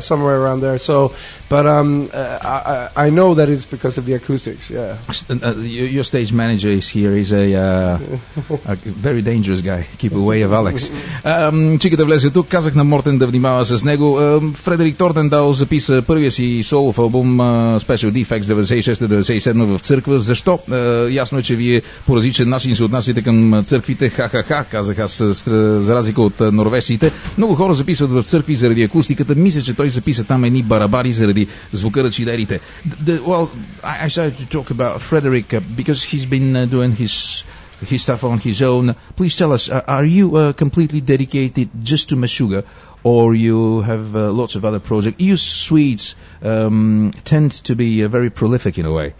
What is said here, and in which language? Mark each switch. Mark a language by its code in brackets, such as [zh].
[en] somewhere around there. So, but I know that it's because of the acoustics. Yeah. Your stage manager is here. He's a very dangerous guy. Keep away of Alex. [bg] Чиката влезе тук. Казах на Мортен да внимава с него. Фредерик Thordendal записа първия си солов албум Special Defects 96-97 в църква. Защо? Ясно е, че вие по различен начин се отнасяте към църквите. Ха-ха-ха, казах аз, за разлика от норвежците. Много хора записват в църкви заради акустиката. Мисля, че той записа там едни барабани заради звука на чидерите. [en] I started to talk about Frederick because he's been doing his stuff on his own. Please tell us, are you completely dedicated just to Meshuga, or you have lots of other projects? You Swedes tend to be very prolific in a way.